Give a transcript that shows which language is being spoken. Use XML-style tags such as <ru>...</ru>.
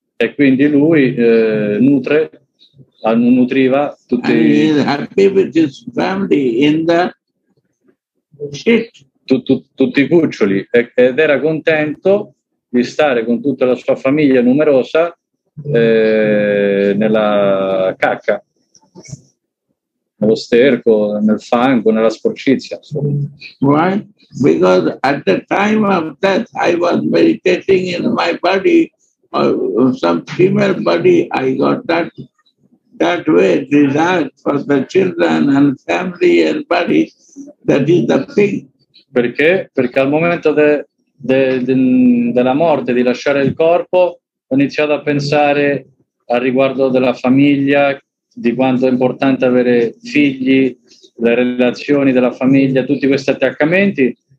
<it>E quindi lui nutriva tutti tutti i cuccioli ed era contento di stare con tutta la sua famiglia numerosa nella cacca, nello sterco, nel fango, nella sporcizia.</it> <en>Why? Because at the time of that I was meditating in my body, some female body, I got that way desire for the children and family and body, that is the thing.</en> <it>Perché? Perché al momento della morte, di lasciare il corpo, ho iniziato a pensare al riguardo della famiglia, di quanto è importante avere figli, le relazioni della famiglia, tutti questi attaccamenti.</it>